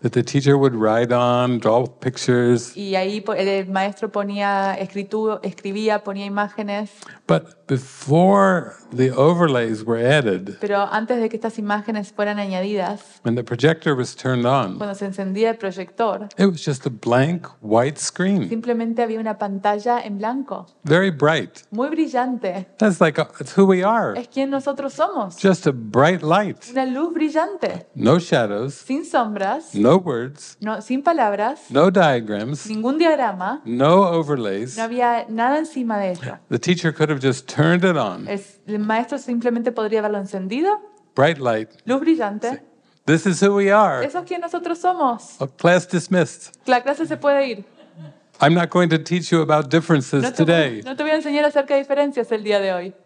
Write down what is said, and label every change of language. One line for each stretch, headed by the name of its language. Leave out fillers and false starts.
English: That the teacher would write on, draw pictures.
Spanish: Y ahí el maestro ponía escribía, ponía imágenes.
English: But before the overlays were added.
Spanish: Pero antes de que estas imágenes fueran añadidas.
English: When the projector was turned on.
Spanish: Cuando se encendía el proyector.
English: It was just a blank white screen.
Spanish: Simplemente había una pantalla en blanco.
English: Very bright.
Spanish: Muy brillante.
English: That's like it's who we are.
Spanish: Es quien nosotros somos.
English: Just a bright light.
Spanish: Una luz brillante.
English: No shadows.
Spanish: Sin sombras.
English: No words.
Spanish: No, sin palabras.
English: No diagrams.
Spanish: Ningún diagrama.
English: No overlays.
Spanish: No había nada encima de eso.
English: The teacher could have just turned it on.
Spanish: El maestro simplemente podría haberlo encendido.
English: Bright light.
Spanish: Luz brillante. Sí.
English: This is who we are.
Spanish: Eso es quien nosotros somos.
English: A class dismissed.
Spanish: La clase se puede ir.
English: I'm not going to teach you about differences today.
Spanish: No te voy a enseñar acerca de diferencias el día de hoy.